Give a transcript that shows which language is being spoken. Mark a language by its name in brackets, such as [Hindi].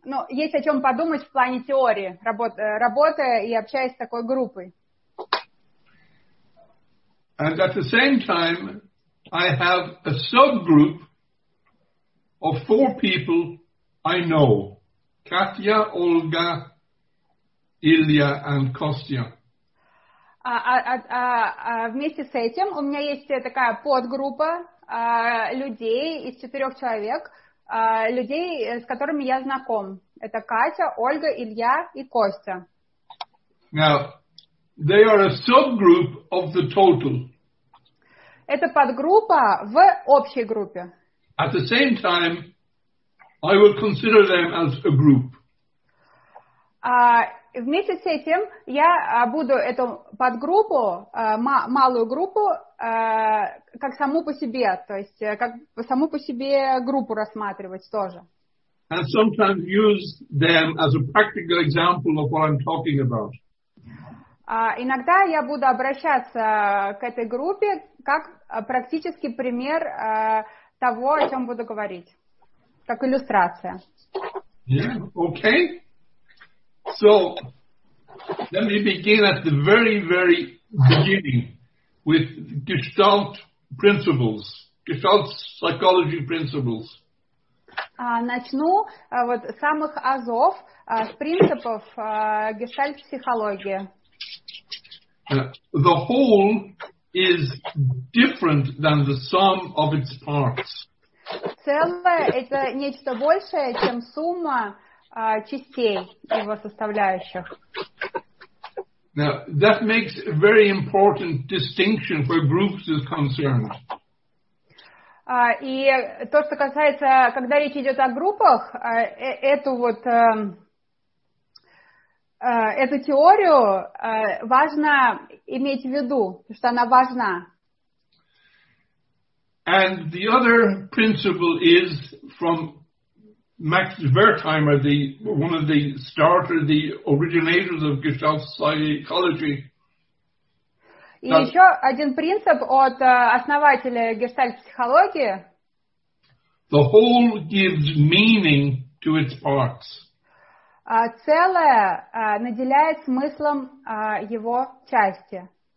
[Russian] есть о чем подумать в плане теории, работы и общаясь с такой группой. [English] And at the same time, I have a subgroup of four people I know. Katya, Olga, Ilya and Kostya. [Russian] Вместе с этим у меня есть такая подгруппа людей из четырех человек, людей, с которыми я знаком. Это Катя, Ольга, Илья и Костя. [English] Now, they are a subgroup of the total. [Russian] Это подгруппа в общей группе. [English] At the same time, I would consider them as a group. [Russian] Вместе с этим я буду эту подгруппу, малую группу, как саму по себе, то есть как саму по себе группу рассматривать тоже. [English] And sometimes use them as a practical example of what I'm talking about. [Russian] Иногда я буду обращаться к этой группе как практический пример того, о чем буду говорить, как иллюстрация. [English] Yeah, okay. So, let me begin at the very, very beginning with Gestalt principles, Gestalt psychology principles. [Russian] Начну вот с самых азов, с принципов гештальт-психологии. [English] The whole is different than the sum of its parts. [Russian] Целое – это нечто большее, чем сумма частей его составляющих. [English] Now, that makes a very important distinction where groups is concerned. [Russian] И то, что касается, когда речь идет о группах, эту теорию важно иметь в виду, потому что она важна. [English] And the other principle is from Max Wertheimer, one of the starters, the originators of Gestalt psychology. [Russian] И еще один принцип от основателя гештальт-психологии. [English] The whole gives meaning to its parts. [Russian] Целое наделяет смыслом его части.